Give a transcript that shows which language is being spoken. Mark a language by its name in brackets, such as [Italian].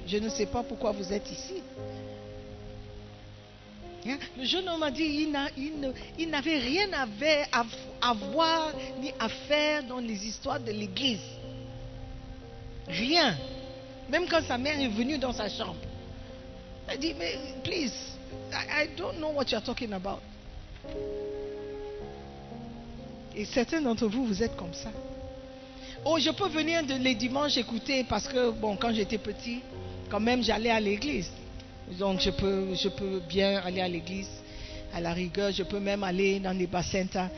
[French] Je ne sais pas pourquoi vous êtes ici. Hein? Le jeune homme a dit il n'avait rien à voir ni à faire dans les histoires de l'église. Rien. Même quand sa mère est venue dans sa chambre. Elle a dit, mais [English] please, I don't know what you're talking about. [French] Et certains d'entre vous, vous êtes comme ça. Oh, je peux venir les dimanches écouter parce que, bon, quand j'étais petit, quand même, j'allais à l'église. Donc, je peux bien aller à l'église. À la rigueur, je peux même aller dans les bassins.